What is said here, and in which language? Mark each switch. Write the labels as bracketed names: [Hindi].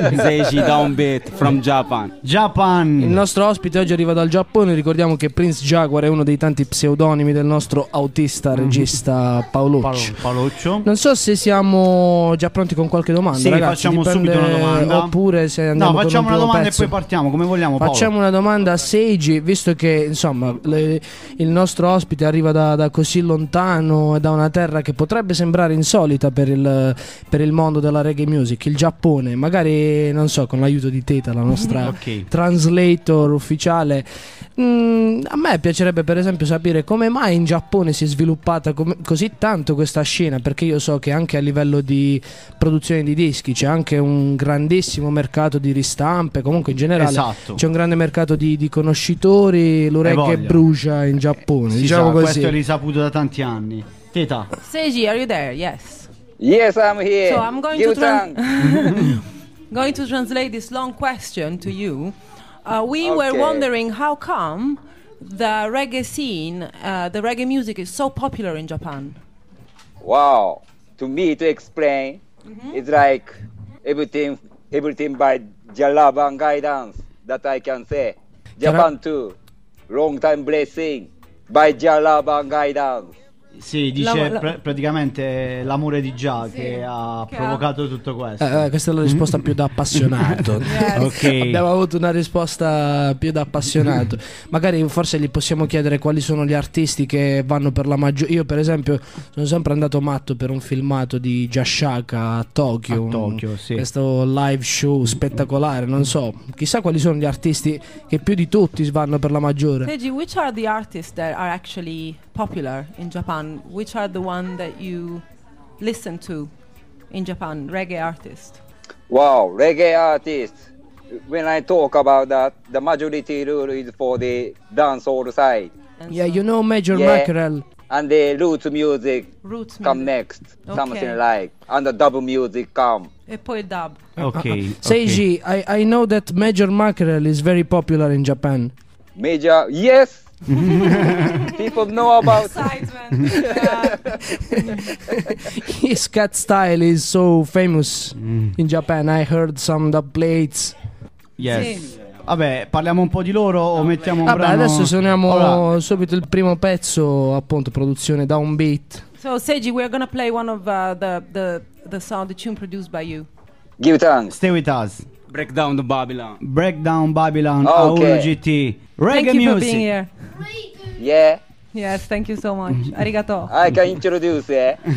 [English] Seiji Downbeat from Japan. Japan. [Italian] Il nostro ospite oggi arriva dal Giappone. Ricordiamo che Prince Jaguar è uno dei tanti pseudonimi del nostro autista regista Paoluccio. Non so se siamo già pronti con qualche domanda. Sì, ragazzi, facciamo subito una domanda. Oppure se andiamo. No, facciamo con una domanda pezzo. E poi partiamo. Come vogliamo, Paolo? Facciamo una domanda a Seiji, visto che insomma il nostro ospite arriva da così lontano e da una terra che potrebbe sembrare insolita per il mondo della reggae music, il Giappone. Magari, non so, con l'aiuto di Teta, la nostra translator ufficiale, a me piacerebbe per esempio sapere come mai in Giappone si è sviluppata così tanto questa scena, perché io so che anche a livello di produzione di dischi c'è anche un grandissimo mercato di ristampe, comunque in generale esatto. C'è un grande mercato di conoscitori, lo reggae brucia in Giappone, si diciamo sa, così. Questo è risaputo da tanti anni. Teta. [English] Seiji, are you there? Yes. Yes, I'm here. So I'm going to going to translate this long question to you. We okay. were wondering how come the reggae scene, the reggae music is so popular in Japan. Wow, to me to explain, it's like everything by Jalaban guidance that I can say. Japan too. Long time blessing by Jalaban guidance. [Italian] Sì, dice praticamente l'amore di Già che ha provocato tutto questo. Questa è la risposta più da appassionato. [English] Yes. Okay. [Italian] Abbiamo avuto una risposta più da appassionato. Magari forse gli possiamo chiedere quali sono gli artisti che vanno per la maggiore. Io per esempio sono sempre andato matto per un filmato di Jashaka a Tokyo. A Tokyo, sì. Questo live show spettacolare, non so. Chissà quali sono gli artisti che più di tutti vanno per la maggiore. [English] Seiji, which are the artists that are actually popular in Japan, which are the one that you listen to in Japan, reggae artist? Wow, reggae artists. When I talk about that, the majority rule is for the dancehall side. And yeah, so, you know Major Mackerel. And the roots music roots come music. Next. Okay. Something like. And the dub music come. [Italian] E poi dub. [English] Okay. Seiji, I know that Major Mackerel is very popular in Japan. Major, yes! People know about excitement. His cat style is so famous in Japan. I heard some dub plates. Yes. Sì. [Italian] Vabbè, parliamo un po' di loro o mettiamo un brano? Adesso suoniamo subito il primo pezzo, appunto, produzione Downbeat. [English] So Seiji, we are gonna play one of the song, the tune produced by you. Give it on. Stay with us. Breakdown the Babylon. Breakdown Babylon. Okay. Auro GT. Reggae thank you music. For being here. Yeah. Yes, thank you so much. [Japanese] Arigato. [English] I can introduce, eh?